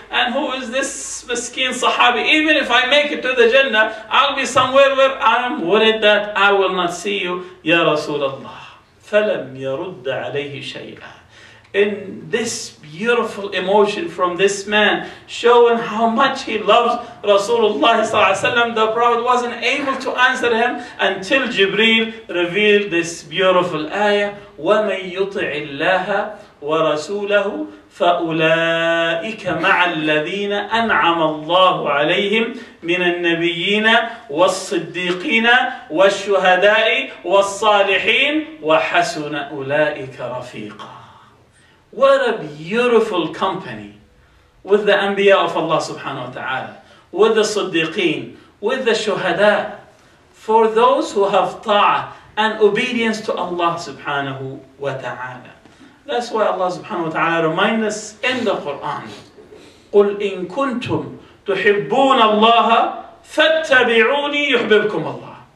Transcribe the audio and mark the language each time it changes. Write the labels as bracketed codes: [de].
[en] And who is this miskin Sahabi? Even if I make it to the Jannah, I'll be somewhere where I'm worried that I will not see you, Ya Rasulullah. [ar] فَلَمْ يَرُدَّ عَلَيْهِ شَيْئًا. [en] in this beautiful emotion from this man, showing how much he loves Rasulullah sallallahu alaihi wasallam. The Prophet wasn't able to answer him until Jibreel revealed this beautiful ayah: [ar] وَمَن يُطِعِ اللَّهَ وَرَسُولَهُ فَأُولَٰئِكَ مَعَ الَّذِينَ أَنْعَمَ اللَّهُ عَلَيْهِمْ مِنَ النَّبِيِّينَ وَالصِّدِّيقِينَ وَالشُّهَدَاءِ وَالصَّالِحِينَ وَحَسُنَ أُولَٰئِكَ رَفِيقًا. [en] What a beautiful company with the Anbiya of Allah subhanahu wa ta'ala, with the Siddiqeen, with the Shuhada, for those who have ta'ah and obedience to Allah subhanahu wa ta'ala. That's why Allah subhanahu wa ta'ala reminds us in the Quran, [ar] قُلْ إِن كُنْتُمْ تُحِبُّونَ اللَّهَ فَاتَّبِعُونِي يُحْبِبْكُمْ اللَّهَ.